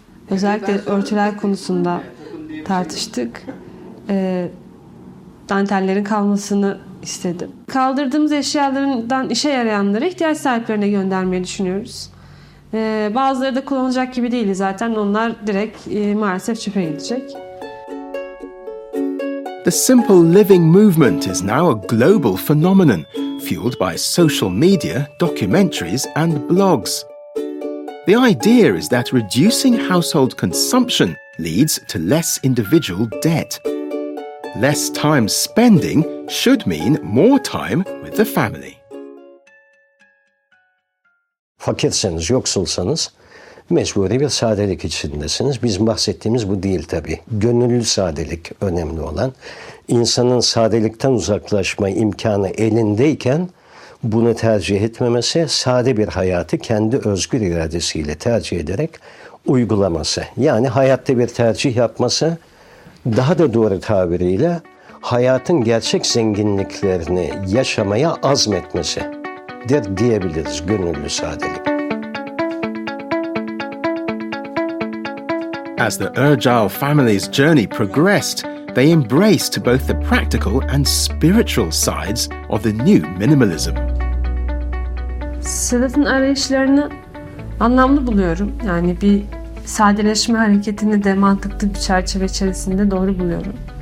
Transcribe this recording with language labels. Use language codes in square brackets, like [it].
[tr] Özellikle örtüler konusunda tartıştık. Dantellerin kalmasını istedim. Kaldırdığımız eşyalarından işe yarayanları ihtiyaç sahiplerine göndermeyi düşünüyoruz. Bazıları da kullanılacak gibi değil zaten. Onlar direkt maalesef çöpe gidecek. [en] The simple living movement is now a global phenomenon, fueled by social media, documentaries and blogs. The idea is that reducing household consumption leads to less individual debt. Less time spending should mean more time with the family. [tr] Fakirseniz, yoksulsanız mecburi bir sadelik içindesiniz. Biz bahsettiğimiz bu değil tabii. Gönüllü sadelik önemli olan. İnsanın sadelikten uzaklaşma imkanı elindeyken bunu tercih etmemesi, sade bir hayatı kendi özgür iradesiyle tercih ederek uygulaması. Yani hayatta bir tercih yapması, daha da doğru tabiriyle hayatın gerçek zenginliklerini yaşamaya azmetmesi. Diyebiliriz gönüllü sadelik. [en] As the Urgile family's journey progressed, they embraced both the practical and spiritual sides of the new minimalism. [tr] Sedat'ın arayışlarını anlamlı buluyorum. Yani bir sadeleşme hareketini de mantıklı bir çerçeve içerisinde doğru buluyorum.